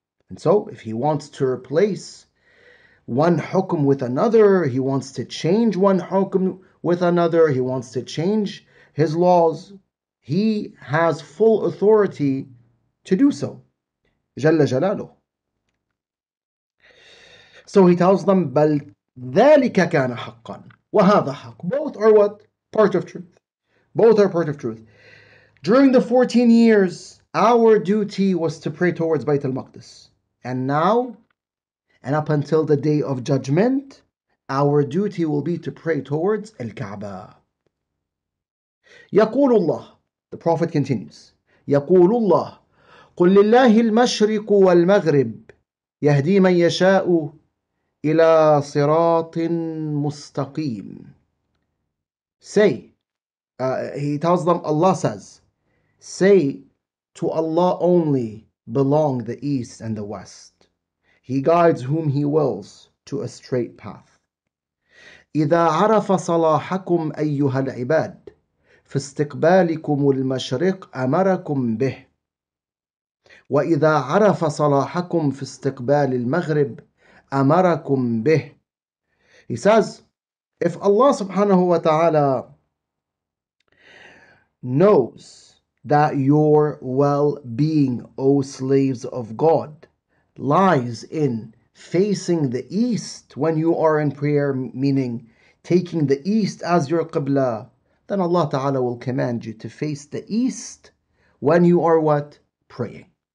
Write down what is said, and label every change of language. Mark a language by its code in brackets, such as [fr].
[en] And so if he wants to replace one hukm with another, he wants to change one hukm with another, he wants to change his laws, he has full authority to do so. [ar] جَلَّ جَلَالُهُ. [en] So he tells them, [ar] بَلْ ذَلِكَ كَانَ حَقًّا وَهَذَا حَقٌّ. [en] Both are what? Part of truth. Both are part of truth. During the 14 years, our duty was to pray towards Bayt al-Maqdis. And now, and up until the day of judgment, our duty will be to pray towards Al-Kaaba. [ar] يَقُولُ اللَّهُ. [en] The Prophet continues, [ar] يقول الله قل لله المشرق والمغرب يهدي من يشاء إلى صراط مستقيم. [en] Say, he tells them, Allah says, say, to Allah only belong the east and the west. He guides whom he wills to a straight path. [ar] إذا عرف صلاحكم أيها العباد فَاسْتِقْبَالِكُمُ الْمَشْرِقِ أَمَرَكُمْ بِهِ وَإِذَا عَرَفَ صَلَاحَكُمْ فَاسْتِقْبَالِ الْمَغْرِبِ أَمَرَكُمْ بِهِ. [en] He says, if Allah subhanahu wa ta'ala knows that your well-being, O slaves of God, lies in facing the east when you are in prayer, meaning taking the east as your qibla, then Allah Ta'ala will command you to face the east when you are what? Praying.